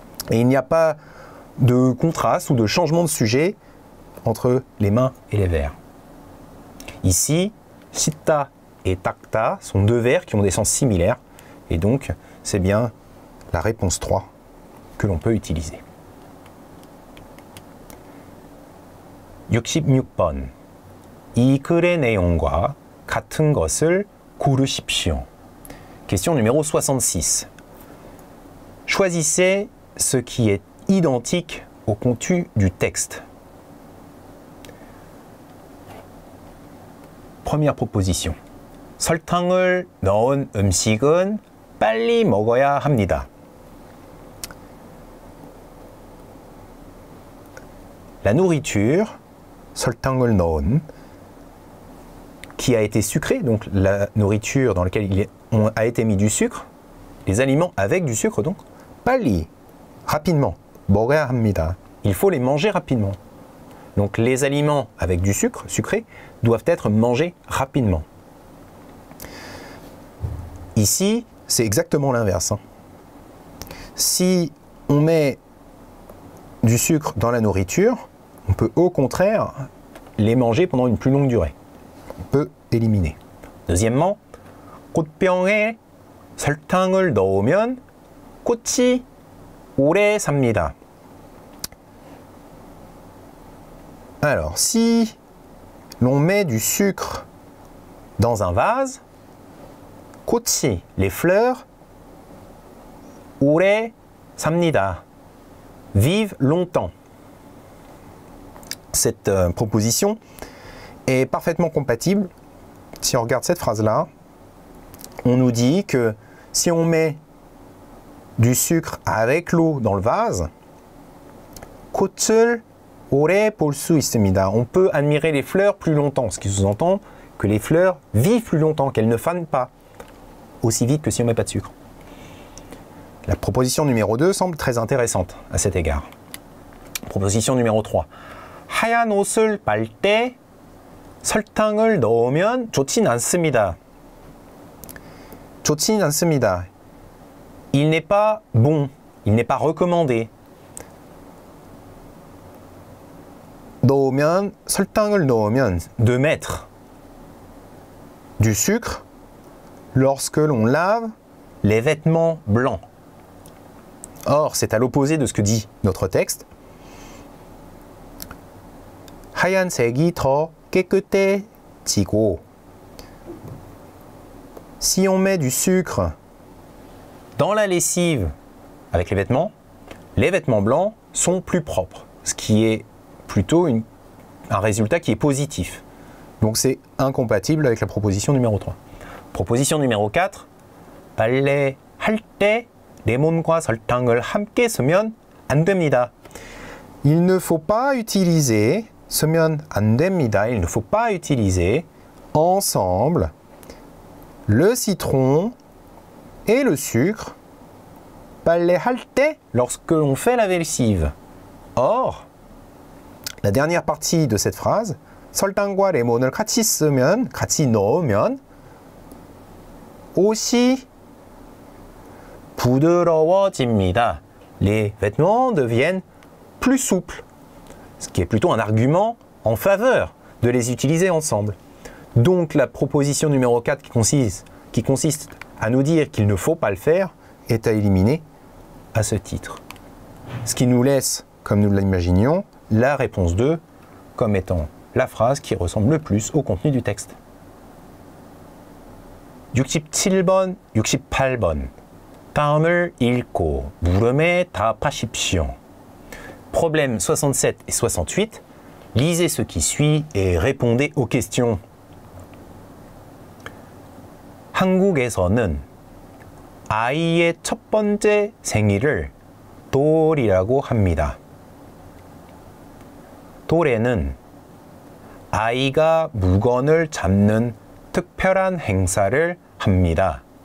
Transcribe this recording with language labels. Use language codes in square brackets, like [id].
[fr] Et il n'y a pas de contraste ou de changement de sujet entre les mains et les verres. Ici, citta et takta sont deux verres qui ont des sens similaires. Et donc, c'est bien la réponse 3 que l'on peut utiliser. [ko] 66번 이 글의 내용과 같은 것을 고르십시오. [fr] Question numéro 66. Choisissez ce qui est identique au contenu du texte. Première proposition. [ko] 설탕을 넣은 음식은 빨리 먹어야 합니다. [fr] La nourriture, [ko] 설탕을 넣은, [fr] qui a été sucrée, donc la nourriture dans laquelle a été mis du sucre, les aliments avec du sucre donc, [ko] 빨리, [fr] rapidement, [ko] 먹어야 합니다. [fr] Il faut les manger rapidement. Donc les aliments avec du sucre, sucré, doivent être mangés rapidement. Ici, c'est exactement l'inverse. Si on met du sucre dans la nourriture, on peut au contraire les manger pendant une plus longue durée. On peut éliminer. Deuxièmement, [ko] 꽃병에 설탕을 넣으면 꽃이 오래 삽니다. [fr] Alors, si l'on met du sucre dans un vase, [ko] 꽃이, [fr] les fleurs, [ko] 오래 삽니다. [fr] Vive longtemps. Cette proposition est parfaitement compatible. Si on regarde cette phrase-là, on nous dit que si on met du sucre avec l'eau dans le vase, [ko] 꽃을 오래 볼 수 있습니다. [fr] On peut admirer les fleurs plus longtemps, ce qui sous-entend que les fleurs vivent plus longtemps, qu'elles ne fanent pas aussi vite que si on ne met pas de sucre. La proposition numéro 2 semble très intéressante à cet égard. Proposition numéro 3. [ko] 하얀 옷을 빨 때 설탕을 넣으면 좋진 않습니다. 좋진 않습니다. [fr] Il n'est pas bon. Il n'est pas recommandé. [ko] 넣으면 설탕을 넣으면 [fr] de mettre du sucre lorsque l'on lave les vêtements blancs. Or, c'est à l'opposé de ce que dit notre texte. [ko] 하얀색이 더 깨끗해지고 [fr] si on met du sucre dans la lessive avec les vêtements blancs sont plus propres, ce qui est plutôt un résultat qui est positif. Donc c'est incompatible avec la proposition numéro 3. Proposition numéro 4. [ko] 빨래 할 때 레몬과 설탕을 함께 쓰면 안 됩니다. [fr] Il ne faut pas utiliser [ko] 쓰면 안 됩니다. [fr] Il ne faut pas utiliser ensemble le citron et le sucre [ko] 빨래 할 때 [fr] lorsque l'on fait la lessive. Or la dernière partie de cette phrase, [ko] 설탕과 레몬을 같이 쓰면, 같이 넣으면, 옷이 부드러워집니다. [fr] Les vêtements deviennent plus souples. Ce qui est plutôt un argument en faveur de les utiliser ensemble. Donc la proposition numéro 4 qui consiste à nous dire qu'il ne faut pas le faire est à éliminer à ce titre. Ce qui nous laisse, comme nous l'imaginions, la réponse 2 comme étant la phrase qui ressemble le plus au contenu du texte. [ko] 67번, 68번. 다음을 읽고 물음에 답하십시오. [fr] Problème 67 et 68. Lisez ce qui suit et répondez aux questions. [ko] 한국에서는 아이의 첫 번째 생일을 돌이라고 합니다. 돌에는 아이가 물건을 잡는 특별한 행사를 합니다.